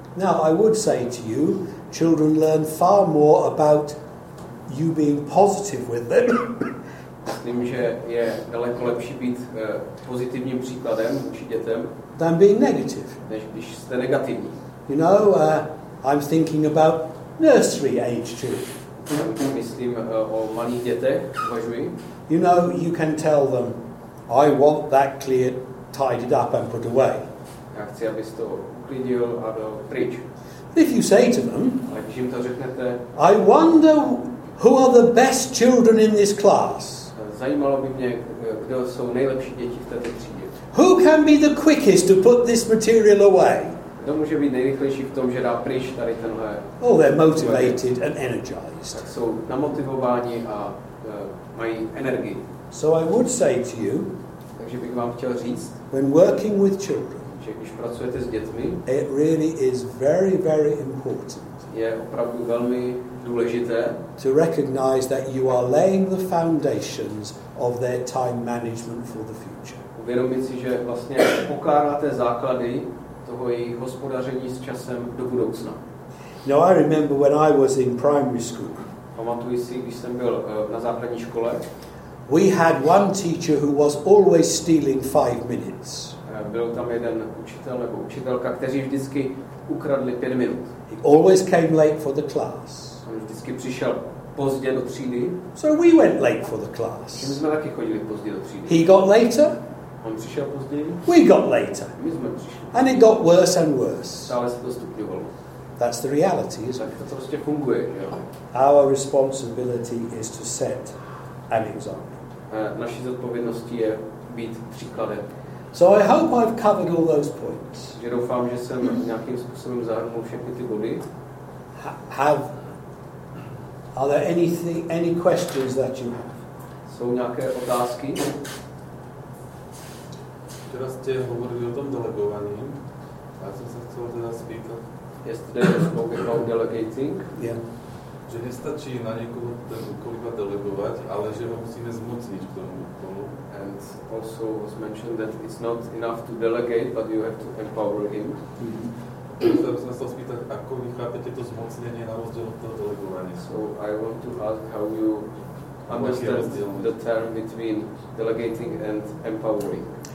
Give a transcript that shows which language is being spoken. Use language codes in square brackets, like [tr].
[en] Now I would say to you, children learn far more about you being positive with them. [cs] Myslím, že je daleko lepší být pozitivním příkladem vůči dětem, [en] than being negative. [cs] Než když jste negativní. [en] You know, I'm thinking about nursery age children. [cs] Myslím o malých dětech, uvažuji. [en] You know, you can tell them, I want that cleared, tidied up and put away. [cs] Já chci, abys to uklidil a dal pryč. [en] If you say to them, [cs] ale když jim to řeknete, [en] I wonder who are the best children in this class. [cs] Zajímalo by mě, kdo jsou nejlepší děti v této třídě. [en] Who can be the quickest to put this material away? [cs] Kdo může být nejrychlejší v tom, že dá pryč tady tenhle. [en] Oh, they're motivated and energized. [cs] Tak jsou namotivováni a mají energii. [en] So I would say to you, [cs] takže bych vám chtěl říct, [en] when working with children, [cs] že když pracujete s dětmi, [en] it really is very, very important. [cs] Je opravdu velmi důležité [en] to recognize that you are laying the foundations of their time management for the future. [cs] Uvědomit si, že vlastně pokládáte základy toho jejich hospodaření s časem do budoucna. [en] Now I remember when I was in primary school. [cs] Pamatuji si, když jsem byl na základní škole. [en] We had one teacher who was always stealing 5 minutes. [cs] byl tam jeden učitel nebo učitelka, kteří vždycky ukradli 5 minut. [en] He always came late for the class. [cs] On vždycky přišel pozdě do třídy. [en] So we went late for the class. [cs] My jsme taky chodili pozdě do třídy. [en] He got later. [cs] On přišel později. [en] We got later. [cs] My jsme přišli. [en] And it got worse and worse. [cs] Stále se to stupňovalo. [en] That's the reality, isn't it? [cs] To prostě funguje, jo. [en] Our responsibility is to set an example. [cs] Naší zodpovědností je být příkladem. [en] So I hope I've covered all those points. [cs] Já doufám, že jsem nějakým způsobem zahrnul všechny ty body. [en] Are there any questions that you have? [cs] Jsou nějaké otázky? Teraz jste hovorili o tom delegování. Já jsem se chtěl teda zpýtat. [en] Yesterday we spoke about delegating. Yeah. [cs] Že nestačí na někoho ten úkol iba delegovat, ale že ho musíme zmocnit k tomu úkolu. [en] And also was mentioned that it's not enough to delegate, but you have to empower him. So I want to ask how you understand the term between delegating and empowering.